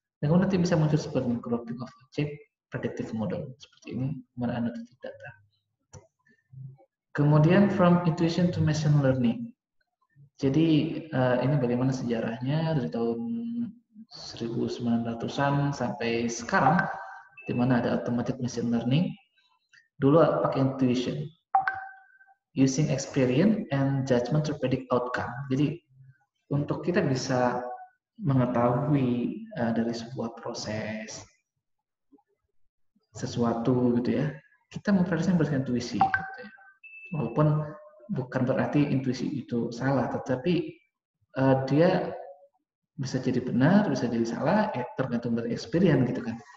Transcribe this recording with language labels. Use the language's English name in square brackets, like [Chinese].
[Indonesian] Dan kemudian nanti bisa muncul seperti [English] grouping of object, predictive model, [Indonesian] seperti ini, kemudian analytic data. [English] Kemudian from intuition to machine learning. [Indonesian] Jadi ini bagaimana sejarahnya dari tahun 1900-an sampai sekarang, di mana ada automatic machine learning. Dulu pakai [English] intuition, using experience and judgment to predict outcome. [Indonesian] Jadi untuk kita bisa mengetahui dari sebuah proses sesuatu gitu ya, kita memprediksinya berdasarkan intuisi. Gitu ya. Walaupun bukan berarti intuisi itu salah, tetapi dia bisa jadi benar, bisa jadi salah, tergantung dari experience gitu kan.